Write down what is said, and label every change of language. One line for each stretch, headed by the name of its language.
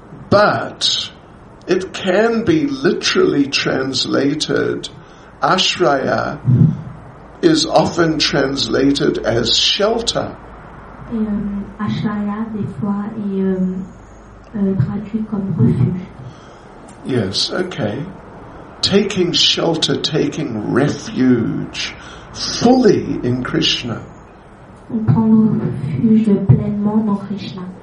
English: But it can be literally translated, ashraya is often translated as shelter.
French: Ashraya des fois est traduit comme refuge.
English: Yes, okay. Taking shelter, taking refuge fully in Krishna.
French: Prendre refuge pleinement dans Krishna.